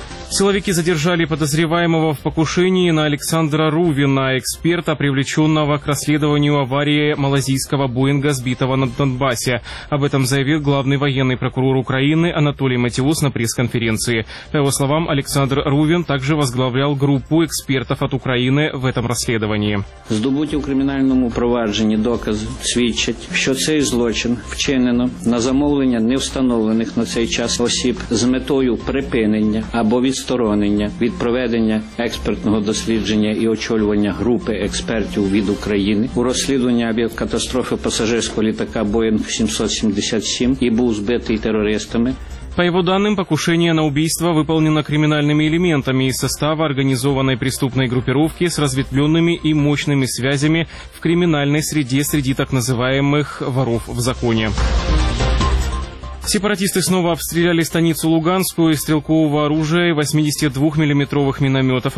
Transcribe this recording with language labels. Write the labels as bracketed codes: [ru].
[ru] Силовики задержали подозреваемого в покушении на Александра Рувина, эксперта, привлеченного к расследованию аварии малазийского Боинга, сбитого на Донбассе. Об этом заявил главный военный прокурор Украины Анатолий Матиус на пресс-конференции. По его словам, Александр Рувин также возглавлял группу экспертов от Украины в этом расследовании. [uk] Здобуть у криминальному провадженні докази свідчать, що цей злочин вчинено на замовлення невстановлених на цей час осіб з метою припинення або відсторонення від проведення експертного дослідження і очолювання групи експертів від України у розслідування авіакатастрофи пасажирського літака Boeing 777 і був збитий терористами. [ru] По его данным, покушение на убийство выполнено криминальными элементами из состава организованной преступной группировки с разветвленными и мощными связями в криминальной среде среди так называемых «воров в законе». Сепаратисты снова обстреляли станицу Луганскую из стрелкового оружия и 82-миллиметровых минометов.